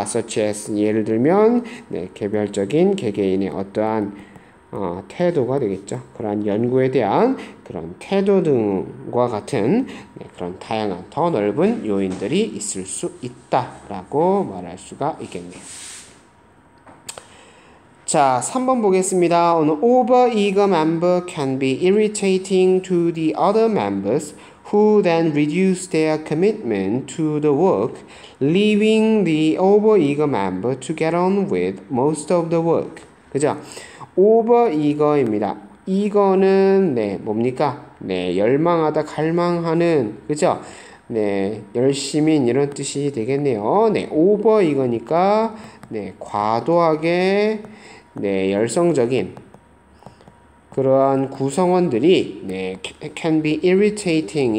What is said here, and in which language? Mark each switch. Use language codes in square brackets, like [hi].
[ko] Such as 예를 들면 개별적인 개개인의 어떠한 태도가 되겠죠. 그러한 연구에 대한 그런 태도 등과 같은 그런 다양한 더 넓은 요인들이 있을 수 있다라고 말할 수가 있겠네요. 자, 3번 보겠습니다. [en] An overeager member can be irritating to the other members who then reduce their commitment to the work, leaving the overeager member to get on with most of the work. [ko] 그죠? 오버이거입니다. 이거는 뭡니까? 열망하다, 갈망하는, 그죠? 열심인 이런 뜻이 되겠네요. 오버이거니까 과도하게 열성적인 그러한 구성원들이 네, [en] can be irritating.